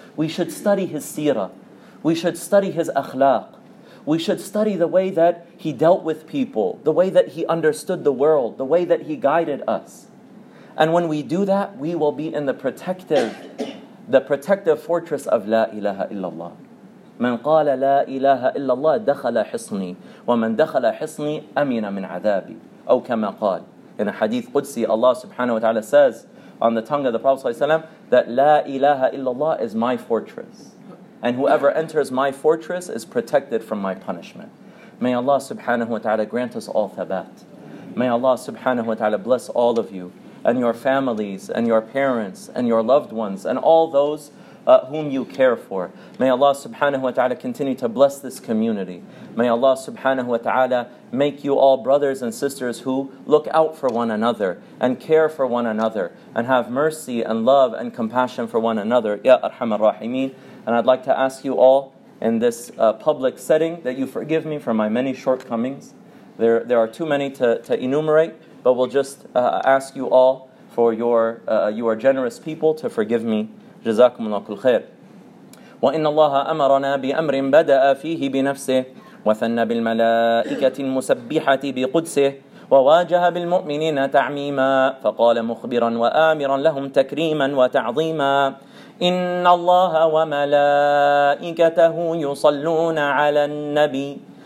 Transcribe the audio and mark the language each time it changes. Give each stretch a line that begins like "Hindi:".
English: We should study his seerah. We should study his akhlaq. We should study the way that he dealt with people, the way that he understood the world, the way that he guided us. And when we do that, we will be in the protective fortress of La ilaha illallah.
Arabic: من قال لا إله إلا الله دخل حصني ومن دخل حصني أمن من عذابي. أو كما قال.
English: In a hadith Qudsi, Allah subhanahu wa ta'ala says on the tongue of the Prophet sallallahu alayhi wa sallam that La ilaha illallah is my fortress. And whoever enters my fortress is protected from my punishment. May Allah subhanahu wa ta'ala grant us all thabat. May Allah subhanahu wa ta'ala bless all of you and your families and your parents and your loved ones and all those whom you care for. May Allah subhanahu wa ta'ala continue to bless this community. May Allah subhanahu wa ta'ala make you all brothers and sisters who look out for one another and care for one another and have mercy and love and compassion for one another. Ya arhamar rahimin. And I'd like to ask you all in this public setting that you forgive me for my many shortcomings. There are too many to enumerate, but we'll just ask you all for you are generous people to forgive me.
Arabic: جزاكم الله كل خير. وإن الله أمرنا بأمر بدأ فيه بنفسه وثنى بالملائكة المسبحة بقدسه وواجه بالمؤمنين تعميما فقال مخبرا وآمرا لهم تكريما وتعظيما إن الله وملائكته يصلون على النبي